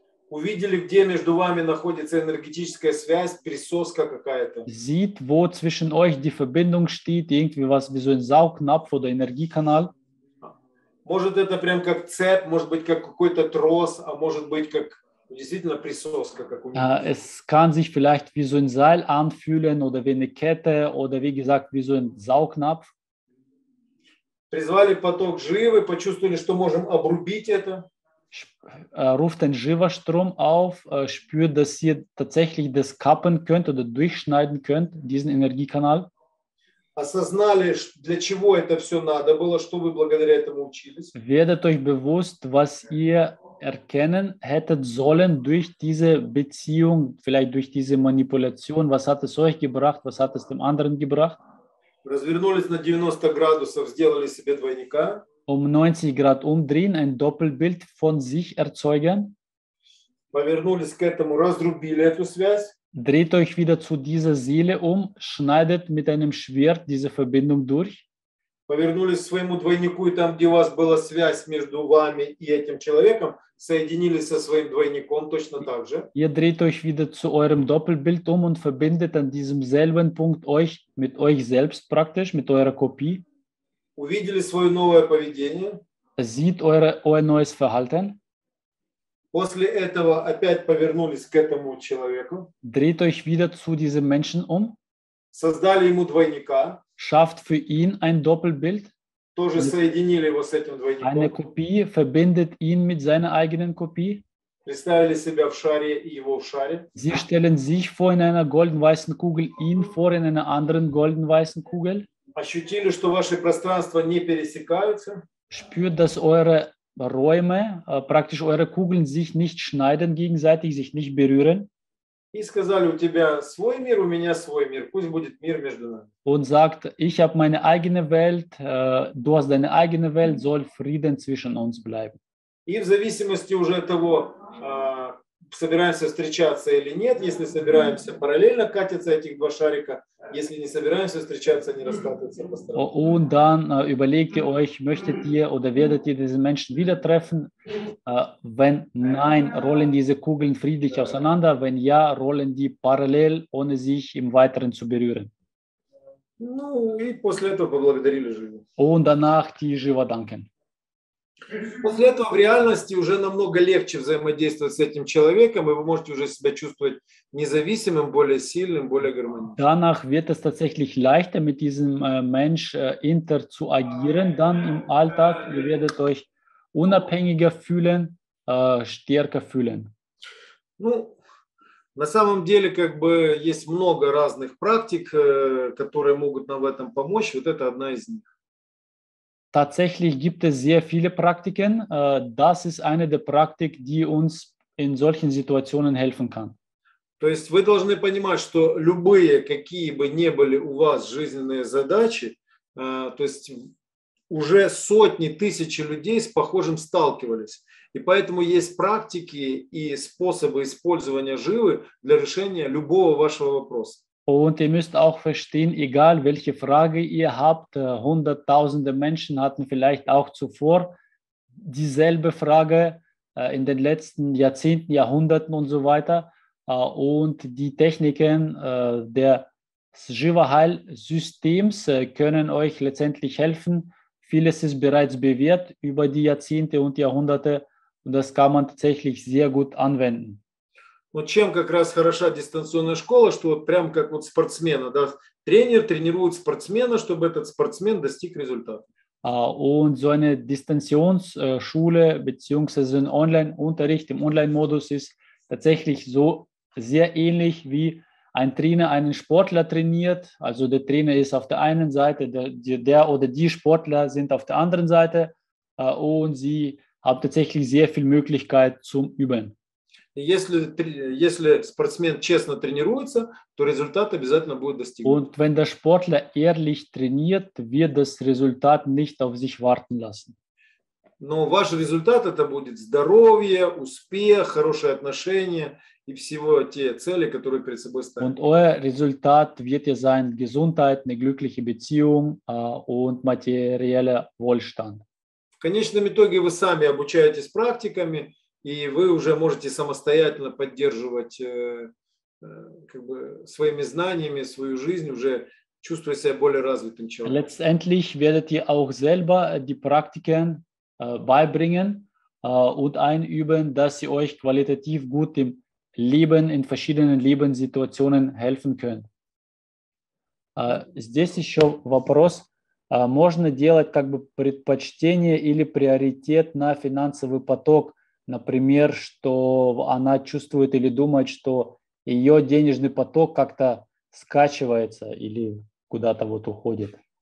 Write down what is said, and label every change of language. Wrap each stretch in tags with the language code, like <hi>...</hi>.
<ru>увидели, где между вами находится энергетическая связь, присоска какая-то,</ru> <de>sieht, wo zwischen euch die Verbindung steht, irgendwie was wie so ein Saugnapf oder Energiekanal.</de> <ru>Может, это прям как цепь, может быть, как какой-то трос, а может быть, как действительно присоска. Как у меня.</ru> <de>Es kann sich vielleicht wie so ein Seil anfühlen oder wie eine Kette oder, wie gesagt, wie so ein Saugnapf.</de> <ru>Призвали поток живы, почувствовали, что можем обрубить это.</ru> <de>Ruft den Jiva-Strom auf, spürt, dass ihr tatsächlich das kappen könnt oder durchschneiden könnt, diesen Energiekanal.</de> <ru>Осознали, для чего это все надо было, что вы благодаря этому учились.</ru> <de>Werdet euch bewusst, was ihr erkennen hättet sollen durch diese Beziehung, vielleicht durch diese Manipulation, was hat es euch gebracht, was hat es dem anderen gebracht?</de> <ru>Развернулись на 90 градусов, сделали себе двойника.</ru> <de>um 90 Grad umdrehen, ein Doppelbild von sich erzeugen.</de> <ru>Повернулись к этому, разрубили эту связь.</ru> <de>Dreht euch wieder zu dieser Seele um, schneidet mit einem Schwert diese Verbindung durch.</de> <ru>Повернулись к своему двойнику, и там, где у вас была связь между вами и этим человеком, соединились со своим двойником точно так же.</ru> <de>Ihr dreht euch wieder zu eurem Doppelbild um und verbindet an diesem selben Punkt euch mit euch selbst praktisch, mit eurer Kopie.</de> <ru>Увидели свое новое поведение.</ru> <de>Sieht euer neues Verhalten.</de> <ru>После этого опять повернулись к этому человеку.</ru> <de>Dreht euch wieder zu diesem Menschen um.</de> <ru>Создали ему двойника.</ru> <de>Schafft für ihn ein Doppelbild.</de> <ru>Тоже соединили его с этим двойником.</ru> <de>Eine Kopie, verbindet ihn mit seiner eigenen Kopie.</de> <ru>Представили себя в шаре и его в шаре.</ru> <de>Sie stellen sich vor in einer golden-weißen Kugel, ihn vor in einer anderen golden-weißen Kugel.</de> <ru>Ощутили, что ваши пространства не пересекаются.</ru> <de>Spürt, dass eure Räume, praktisch eure Kugeln sich nicht schneiden gegenseitig, sich nicht berühren.</de> <ru>И сказали, у тебя свой мир, у меня свой мир, пусть будет мир между нами.</ru> <de>Und sagt, ich habe meine eigene Welt, du hast deine eigene Welt, soll Frieden zwischen uns bleiben.</de> <ru>И в зависимости уже от того, собираемся встречаться или нет, если собираемся параллельно катятся этих два шарика, если не собираемся встречаться, они раскатываются по сторонам.</ru> <de>Und dann überlegt ihr euch, möchtet ihr oder werdet ihr diesen Menschen wieder treffen? Wenn nein, rollen diese Kugeln friedlich auseinander, wenn ja, rollen die parallel, ohne sich im Weiteren zu berühren.</de> <ru>Ну и после этого поблагодарили живо.</ru> <de>Und danach die живо danken.</de> <ru>После этого в реальности уже намного легче взаимодействовать с этим человеком, и вы можете уже себя чувствовать независимым, более сильным, более гармоничным.</ru> <de>Danach wird es tatsächlich leichter mit diesem Mensch interzuagieren, dann im Alltag, ihr werdet euch unabhängiger fühlen, stärker fühlen.</de> <ru>Ну, на самом деле, как бы, есть много разных практик, которые могут нам в этом помочь, вот это одна из них.</ru> <de>Tatsächlich gibt es sehr viele Praktiken. Das ist eine der Praktiken, die uns in solchen Situationen helfen kann.</de> <ru>То есть вы должны понимать, что любые, какие бы ни были у вас жизненные задачи, то есть уже сотни, тысячи людей с похожим сталкивались. И поэтому есть практики и способы использования живы для решения любого вашего вопроса.</ru> <de>Und ihr müsst auch verstehen, egal welche Frage ihr habt, hunderttausende Menschen hatten vielleicht auch zuvor dieselbe Frage in den letzten Jahrzehnten, Jahrhunderten und so weiter. Und die Techniken des Jiva-Heil-Systems können euch letztendlich helfen. Vieles ist bereits bewährt über die Jahrzehnte und Jahrhunderte und das kann man tatsächlich sehr gut anwenden.</de> <ru>Вот чем как раз хороша дистанционная школа, что вот прям как вот спортсмена, да, тренер тренирует спортсмена, чтобы этот спортсмен достиг результата.</ru> <de>Und so eine Distanzionsschule beziehungsweise ein Online-Unterricht im Online-Modus ist tatsächlich so sehr ähnlich wie ein Trainer einen Sportler trainiert. Also der Trainer ist auf der einen Seite, der oder die Sportler sind auf der anderen Seite und sie haben tatsächlich sehr viel Möglichkeit zum Üben.</de> <ru>Если спортсмен честно тренируется, то результат обязательно будет достигнут.</ru> <de>Und wenn der Sportler ehrlich trainiert, wird das Resultat nicht auf sich warten lassen.</de> <ru>Но ваш результат это будет здоровье, успех, хорошие отношения и всего те цели, которые перед собой ставите.</ru> <de>Und euer Resultat wird ja sein Gesundheit, eine glückliche Beziehung und materieller Wohlstand.</de> <ru>В конечном итоге вы сами обучаетесь практиками. И вы уже можете самостоятельно поддерживать как бы своими знаниями свою жизнь, уже чувствуя себя более развитым человеком.</ru> <de>Letztendlich werdet ihr auch selber die Praktiken beibringen und einüben, dass sie euch qualitativ gut im Leben, in verschiedenen Lebenssituationen helfen können.</de> <ru>Здесь еще вопрос. Можно делать как бы предпочтение или приоритет на финансовый поток? Например, что она чувствует или думает, что ее денежный поток как-то скачивается или куда-то вот уходит.</ru>